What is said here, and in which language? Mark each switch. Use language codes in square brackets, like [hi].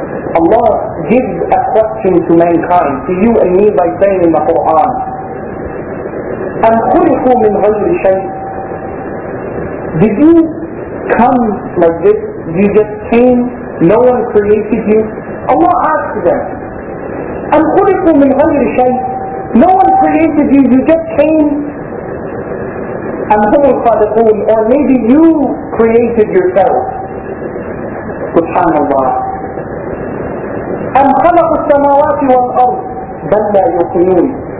[en] Allah gives a question to mankind, to you and me, by saying in the Quran, [ar] أَمْ خُلِقُوا مِنْ غَيْرِ شَيْءٍ. [en] Did you come like this? You just came, no one created you? Allah asked them, [ar] أَمْ خُلِقُوا مِنْ غَيْرِ شَيْءٍ. [en] No one created you, you just came. [ar] أَمْ هُمُ الْخَالِقُونَ. [en] Or maybe you created yourself. [ar] Subhanallah. أَمْ خَلَقُ السَّمَاوَاتِ وَالْأَرْضِ بَلْ لَا يُوقِنُونَ.